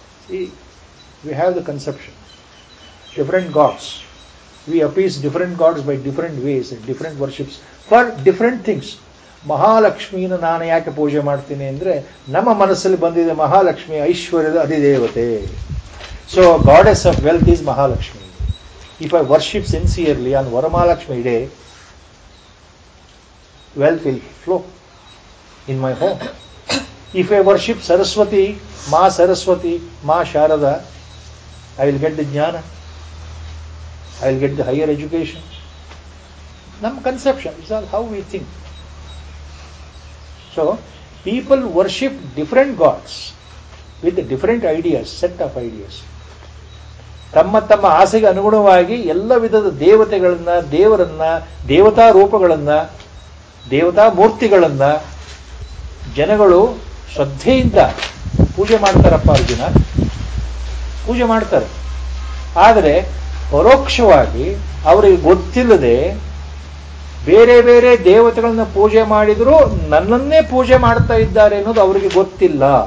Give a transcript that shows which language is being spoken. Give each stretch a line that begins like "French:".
English: We have the conception different gods. We appease different gods by different ways, different worships for different things.
Kannada: ಮಹಾಲಕ್ಷ್ಮಿನ ನಾನು ಯಾಕೆ ಪೂಜೆ ಮಾಡ್ತೀನಿ ಅಂದರೆ, ನಮ್ಮ ಮನಸ್ಸಲ್ಲಿ ಬಂದಿದೆ Mahalakshmi ಐಶ್ವರ್ಯದ ಅಧಿದೇವತೆ.
English: So goddess of wealth is Mahalakshmi. If I worship sincerely on Varamalakshmi day, wealth will flow in my home. If I worship Saraswati, Ma Saraswati, Ma Sharada, I will get the jnana, I will get the higher education. Nam conception, it's all how we think. So, people worship different gods with different ideas, set of ideas.
Kannada: ತಮ್ಮ ತಮ್ಮ ಆಸೆಗೆ ಅನುಗುಣವಾಗಿ ಎಲ್ಲ ವಿಧದ ದೇವತೆಗಳನ್ನು, ದೇವರನ್ನು, ದೇವತಾ ರೂಪಗಳನ್ನು, ದೇವತಾ ಮೂರ್ತಿಗಳನ್ನು ಜನಗಳು ಶ್ರದ್ಧೆಯಿಂದ ಪೂಜೆ ಮಾಡ್ತಾರಪ್ಪ. ಅರ್ಜುನ ಪೂಜೆ ಮಾಡ್ತಾರೆ, ಆದರೆ ಪರೋಕ್ಷವಾಗಿ ಅವರಿಗೆ ಗೊತ್ತಿಲ್ಲದೆ ಬೇರೆ ಬೇರೆ ದೇವತೆಗಳನ್ನು ಪೂಜೆ ಮಾಡಿದರೂ ನನ್ನನ್ನೇ ಪೂಜೆ ಮಾಡ್ತಾ ಇದ್ದಾರೆ ಅನ್ನೋದು ಅವರಿಗೆ ಗೊತ್ತಿಲ್ಲ.